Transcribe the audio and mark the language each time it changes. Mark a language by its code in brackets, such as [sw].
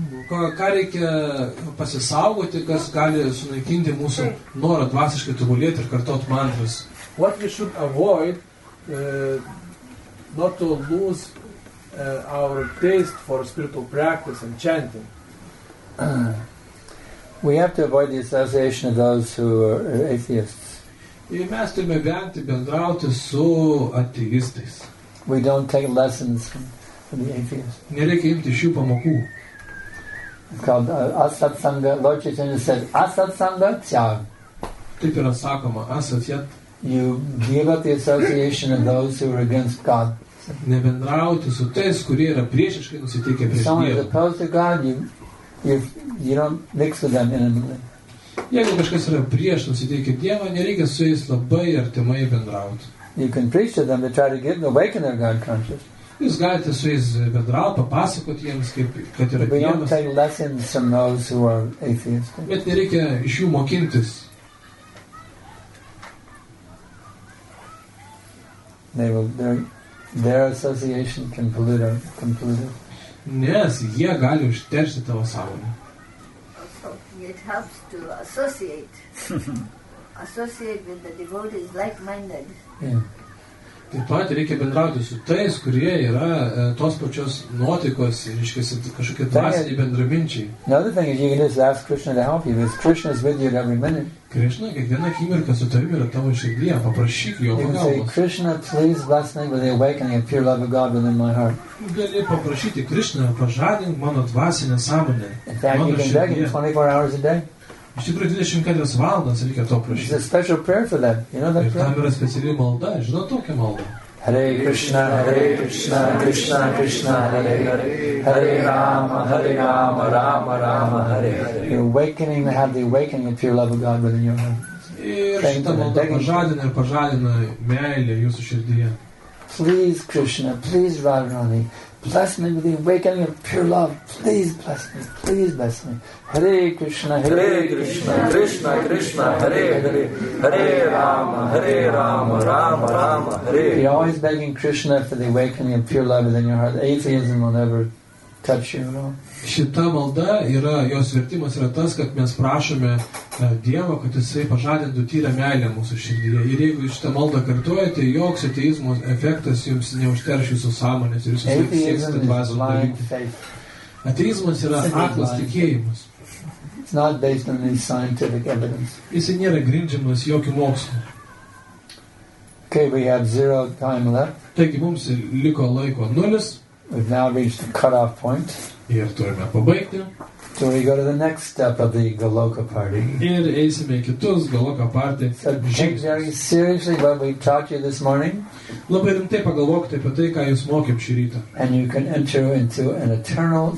[lt] Ką reikia pasisaugoti, kas gali sunaikinti mūsų norą dvasiškai tobulėti ir kartot mantras. [en] What we should avoid not to lose our taste for spiritual practice and chanting. We have to avoid the association of those who are atheists. [lt] Ir mes turime vengti bendrauti su ateistais. [en] We don't take lessons from the atheists. [lt] Nereikia imti šių pamokų. [en] It's called asat sanga. Lord Chaitanya says asat sanga tyag. [lt] Taip yra sakoma, asat yat. [en] You give up the association of those who are against God. [lt] Nebendrauti su tais, kurie yra priešiškai nusiteikę prieš [en] Someone is opposed to God, you don't mix with them intimately. [lt] Jeigu kažkas yra prieš nusiteikę Dievą, nereikia su jais labai artimai bendrauti. [en] You can preach to them to try to get awaken their God conscious. [lt] Jūs galite su jais bendrauti, papasakoti jiems, kaip, kad yra Dievas. [en] We don't take lessons from those who are atheists. [lt] Bet nereikia iš jų mokintis. [en] Their association can pollute our completely. [lt] Nes jie gali užteršti tavo sąmonę. [en] It helps to associate. Associate with the devotees like-minded. Yeah. [lt] Taip pat reikia bendrauti su tais, kurie yra tos pačios nuotaikos, reiškia, kažkokie dvasiniai bendraminčiai. [en] Another thing is you can just ask Krishna to help you, because Krishna is with you every minute. [lt] Krishna, kiekviena akimirka su tavimi yra tavo širdyje, paprašyk jo pagalbos. [en] You can say, Krishna, please bless me with the awakening of pure love of God within my heart. [lt] Gali paprašyti, Krishna, pažadink mano dvasinę sąmonę, mano širdyje. [en] In fact, you can beg it 24 hours a day. [lt] Iš tikrųjų 24 valandas reikia to prašyti. [en] It's a special prayer for that. You know that prayer? [lt] Ir tam yra speciali malda. Žinot tokią maldą? [sa] Hare Krishna, Hare Krishna, Krishna Krishna, Hare Hare. Hare Rama, Hare Rama, Rama Rama, Hare Hare. [en] You're awakening to have the awakening of pure love of God within your heart. [lt] Ir šita malda pažadina ir pažadina meilę jūsų širdyje. [en] Please Krishna, please Radharani, bless me with the awakening of pure love. Please bless me. Please bless me. Hare Krishna, [sa] Hare Krishna, Krishna Krishna, Hare Hare, Hare Rama, Hare Rama, Rama Rama, Hare. [en] You're always begging Krishna for the awakening of pure love within your heart. Atheism will never touch you at all. [lt] Šita malda yra, jos vertimas yra tas, kad mes prašome Dievo, kad jisai pažadintų tyrę meilę mūsų širdyje. Ir jeigu šitą maldą kartuojate, joks ateizmo efektas jums neužterš jūsų sąmonės ir jūs sieksite dvasų dalykų. Ateizmas yra aklas tikėjimas. [en] It's not based on any scientific evidence. [lt] Jisai nėra grindžiamas jokių mokslų. [en] Okay, we have zero time left. [lt] Taigi mums liko laiko nulis. [en] We've now reached the cut-off point. [lt] Ir turime pabaigti. [en] So we go to the next step of the Goloka party. [lt] Ir eisime į kitus Goloka party. [en] So take very seriously what we taught you this morning. [lt] Labai rimtai pagalvokite apie tai, ką jūs mokėm šį rytą. [en] And you can enter into an eternal Goloka party within your heart.